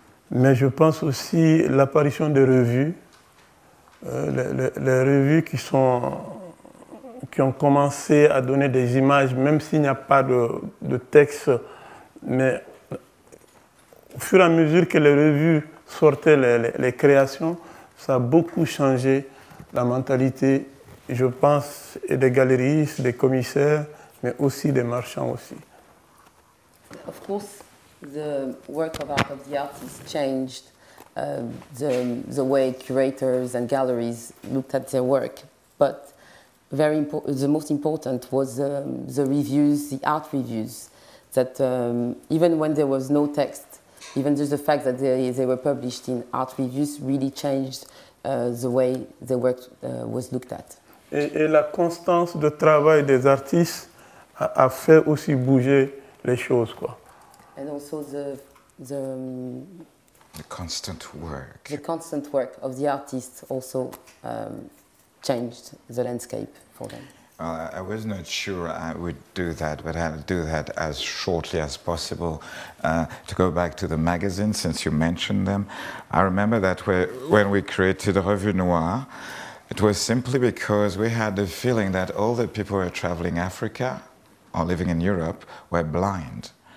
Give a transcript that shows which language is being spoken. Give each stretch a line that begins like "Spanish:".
French: Mais je pense aussi à l'apparition des revues, les revues qui ont commencé à donner des images, même s'il n'y a pas de texte, mais au fur et à mesure que les revues sortaient les créations, ça a beaucoup changé la mentalité, je pense, et des galeristes, des commissaires, mais aussi des marchands aussi.
English: Of course, the work of art of the artist changed the way curators and galleries looked at their work. But the most important was the reviews, the art reviews, that even when there was no text, even just the fact that they were published in art reviews really changed the way the work was looked at.
French: Et la constance de travail des artistes a fait aussi bouger les choses, quoi.
English: And also the constant work. The constant work of the artists also changed the landscape for them. I was not sure I would do that, but I'll do that as shortly as possible. To go back to the magazines, since you mentioned them, I remember that when we created Revue Noire, it was simply because we had the feeling that all the people who were traveling Africa or living in Europe were blind.